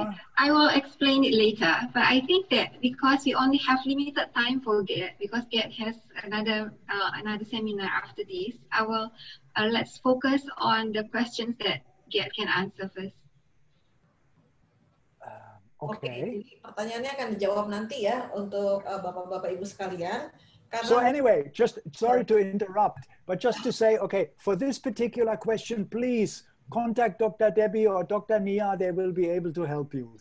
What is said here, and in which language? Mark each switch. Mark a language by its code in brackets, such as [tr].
[en] Okay. I will explain it later, but I think that because we only have limited time for GET, because GET has another seminar after this, I will let's focus on the questions that GET can answer first. Okay. [id] Pertanyaannya akan dijawab nanti ya untuk Bapak-Bapak Ibu sekalian. [en] So anyway, just sorry to interrupt, but just to say, okay, for this particular question, please contact Dr. Debbie or Dr. Nia, they will be able to help you.